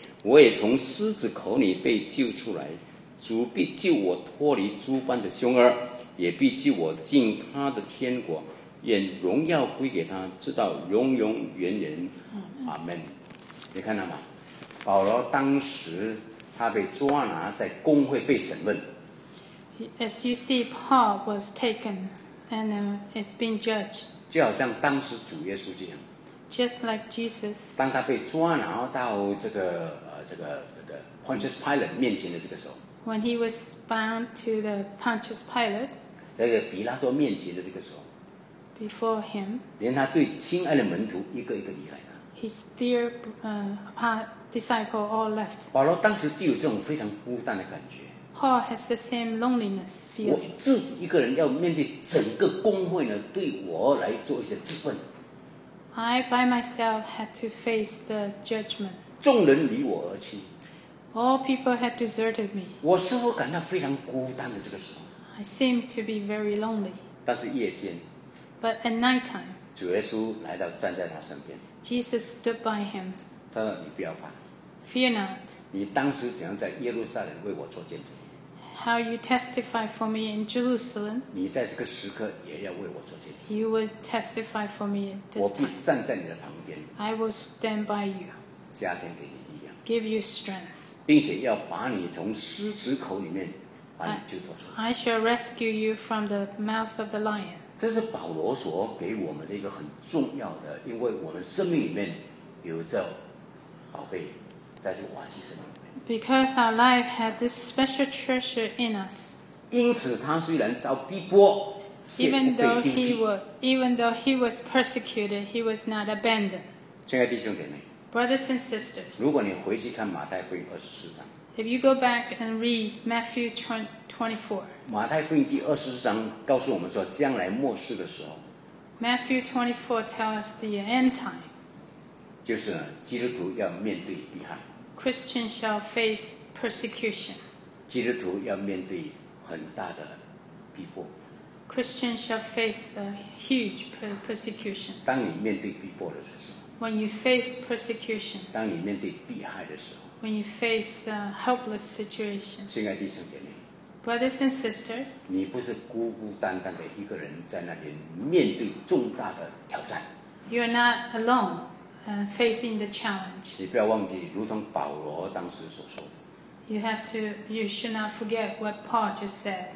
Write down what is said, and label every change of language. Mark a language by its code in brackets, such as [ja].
[zh] 我也从狮子口里被救出来。主必救我脱离诸般的凶恶，也必救我进他的天国，愿荣耀归给他，直到永永远远。阿门。你看到吗？保罗当时他被抓拿在公会被审问。 [en] As you see, Paul was taken and is being judged. [zh] 就好像当时主耶稣这样。 [en] Just like Jesus. [zh] 当他被抓拿到这个 Pontius Pilate 面前的这个时候。 [en] When he was bound to the Pontius Pilate, [zh] 在比拉多面前的这个时候 [en] before him, [zh] 连他对亲爱的门徒一个一个离开他 [en] his dear disciple all left. [zh] 保罗当时就有这种非常孤单的感觉 [en] Paul has the same loneliness feeling. [zh] 我自己一个人要面对整个公会呢，对我来做一些质问 [en] I by myself had to face the judgment. [zh] 众人离我而去。 [en] All people had deserted me. [zh] 我似乎感到非常孤单的这个时候。 [en] I seemed to be very lonely. [zh] 但是夜间。 [en] But at night time. [zh] 主耶稣来到站在他身边。 [en] Jesus stood by him. [zh] 他说：“你不要怕。 [en] ”Fear not. [zh] 你当时怎样在耶路撒冷为我做见证 [en] ？How you testify for me in Jerusalem? [zh] 你在这个时刻也要为我做见证。 [en] You will testify for me at this time. [zh] 我必站在你的旁边。 [en] I will stand by you. [zh] 加添给你力量。 [en] Give you strength. [zh] 并且要把你从狮子口里面把你救脱出来。 [en] I shall rescue you from the mouth of the lion. [zh] 这是保罗所给我们的一个很重要的，因为我们生命里面有这宝贝，在这瓦基生命里面。 [en] Because our life had this special treasure in us. [zh] 因此，他虽然遭逼迫， [en] even though he was persecuted, he was not abandoned. [zh] 亲爱弟兄姐妹。 [en] Brothers and sisters, [zh] 如果你回去看马太福音二十四章 [en] if you go back and read Matthew 24, [zh] 马太福音第二十四章告诉我们说将来末世的时候 [en] Matthew 24 tells us the end time, [zh] 就是基督徒要面对逼害 [en] Christians shall face persecution, [zh] 基督徒要面对很大的逼迫 [en] Christians shall face a huge persecution, [zh] 当你面对逼迫的时候 [en] When you face persecution, [zh] 当你面对逼害的时候 [en] when you face a helpless situation, [zh] 亲爱弟兄姐妹 [en] brothers and sisters, [zh] 你不是孤孤单单的一个人在那边面对重大的挑战 [en] you are not alone, facing the challenge. [zh] 你不要忘记，如同保罗当时所说的 [en] you should not forget what Paul just said.